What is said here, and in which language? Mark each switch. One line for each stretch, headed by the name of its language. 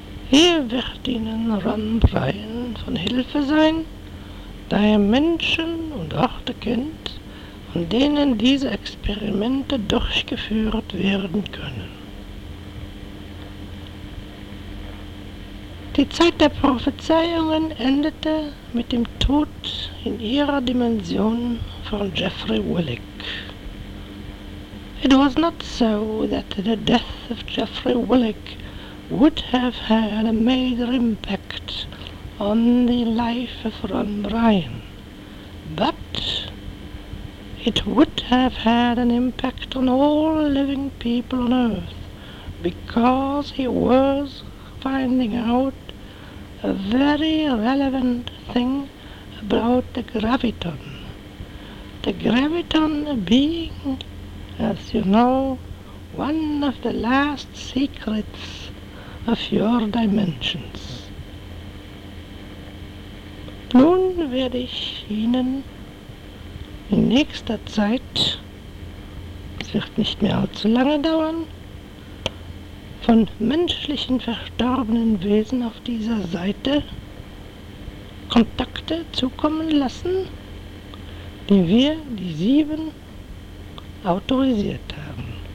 German: Hier wird Ihnen Ron Bryan von Hilfe sein, da er Menschen und Orte kennt, an denen diese Experimente durchgeführt werden können. Die Zeit der Prophezeiungen endete mit dem Tod in ihrer Dimension von Jeffrey Willick.
English: It was not so that the death of Jeffrey Willick would have had a major impact on the life of Ron Bryan, but it would have had an impact on all living people on Earth, because he was finding out a very relevant thing about the graviton. The graviton being, as you know, one of the last secrets of your dimensions.
German: Nun werde ich Ihnen in nächster Zeit, es wird nicht mehr allzu lange dauern, von menschlichen verstorbenen Wesen auf dieser Seite Kontakte zukommen lassen, die wir, die sieben, autorisiert haben.